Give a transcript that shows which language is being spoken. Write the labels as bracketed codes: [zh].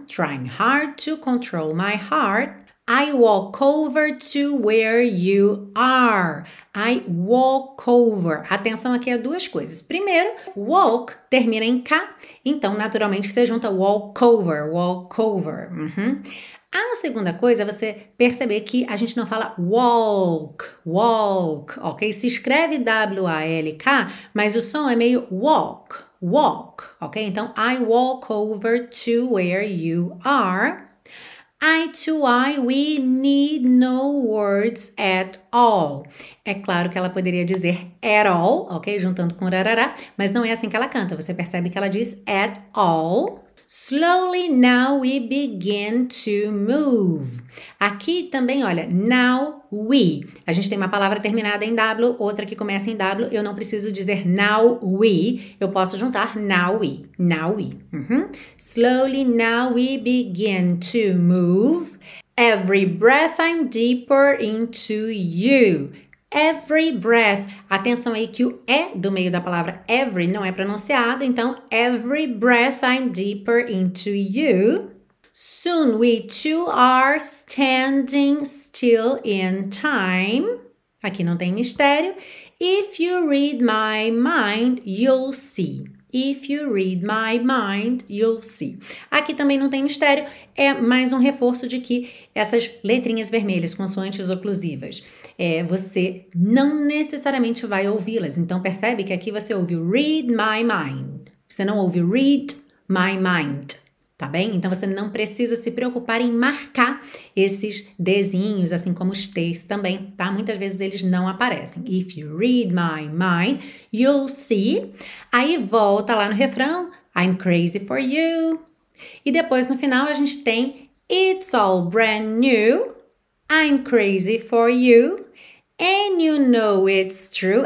[en] Trying hard to control my heart. I walk over to where you are. I walk over. [pt] Atenção aqui a duas coisas. Primeiro, walk termina em K. Então, naturalmente, você junta [en] walk over, walk over. [pt] Uhum. A segunda coisa é você perceber que a gente não fala [en] walk, walk, [pt] ok? Se escreve W-A-L-K, mas o som é meio [en] walk, walk, [pt] ok? Então, [en] I walk over to where you are. Eye to eye, we need no words at all. [pt] É claro que ela poderia dizer [en] at all, [pt] ok? Juntando com rarará, mas não é assim que ela canta. Você percebe que ela diz [en] at all. Slowly now we begin to move. [pt] Aqui também, olha, [en] now we. [pt] A gente tem uma palavra terminada em W, outra que começa em W. Eu não preciso dizer [en] now we. [pt] Eu posso juntar [en] now we. Now we. [pt] Uhum. [en] Slowly now we begin to move. Every breath I'm deeper into you. Every breath. [pt] Atenção aí que o E do meio da palavra every não é pronunciado. Então, [en] every breath I'm deeper into you. Soon we two are standing still in time. [pt] Aqui não tem mistério. [en] If you read my mind, you'll see. If you read my mind, you'll see. [pt] Aqui também não tem mistério. É mais um reforço de que essas letrinhas vermelhas, consoantes oclusivas, você não necessariamente vai ouvi-las. Então, percebe que aqui você ouve [en] read my mind. [pt] Você não ouve read my mind, tá bem? Então, você não precisa se preocupar em marcar esses desenhos, assim como os T's também, tá? Muitas vezes eles não aparecem. [en] If you read my mind, you'll see. [pt] Aí volta lá no refrão, [en] I'm crazy for you. [pt] E depois, no final, a gente tem [en] it's all brand new. I'm crazy for you, and you know it's true.